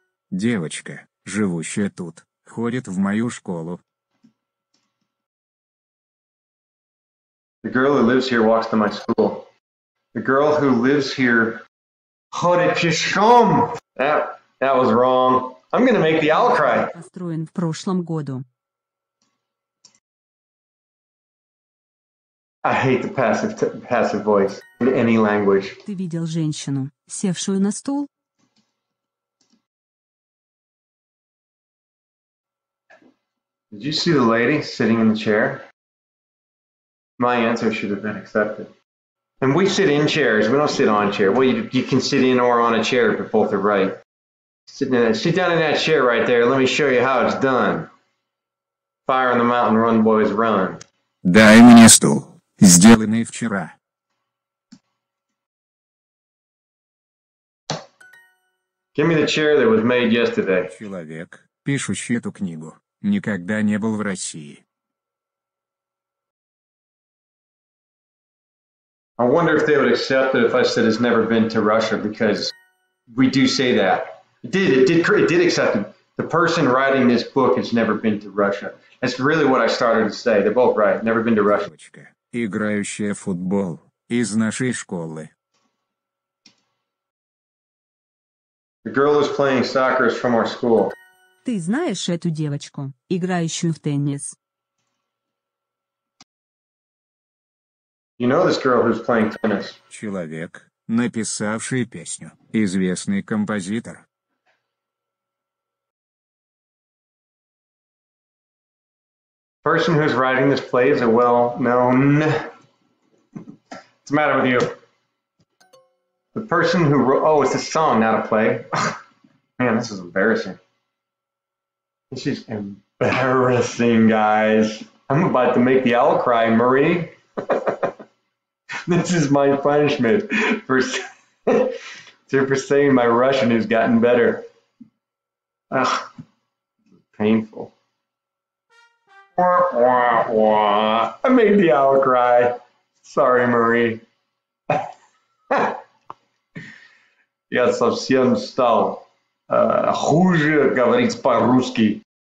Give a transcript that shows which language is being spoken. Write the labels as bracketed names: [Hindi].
[Russian] Девочка, живущая тут, ходит в мою школу. [English] The girl who lives here walks to my school. The girl who lives here [Russian] ходит пешком. [English] That was wrong. I'm going to make the owl cry. [Russian] Построен в прошлом году. [English] I hate the passive voice in any language. [Russian] Ты видел женщину, севшую на стул? [English] Did you see the lady sitting in the chair? My answer should have been accepted. And we sit in chairs, we don't sit on a chair. Well, you can sit in or on a chair, but both are right. Sit down in that chair right there, let me show you how it's done. Fire on the mountain, run boys, run. [Russian] Дай мне стул. Сделанный вчера. [English] Give me the chair that was made yesterday. [Russian] Человек, пишущий эту книгу, никогда не был в России. [English] I wonder if they would accept it if I said it's never been to Russia, because we do say that. It did accept it. The person writing this book has never been to Russia. That's really what I started to say. They're both right. Never been to Russia. [Russian] Девочка, играющая в футбол, из нашей школы. [English] The girl who's playing soccer is from our school. [Russian] Ты знаешь эту девочку, играющую в теннис? [English] You know this girl who's playing tennis. [Russian] Человек, написавший песню, известный композитор. [English] Person who's writing this play is a well-known. What's the matter with you? The person who wrote. Oh, it's a song, not a play. Man, this is embarrassing. This is embarrassing, guys. I'm about to make the owl cry, Marie. This is my punishment for saying my Russian has gotten better. Ugh, painful. Wah, wah, wah. I made the owl cry. Sorry, Marie. [Russian] Я совсем стал хуже говорить по-русски.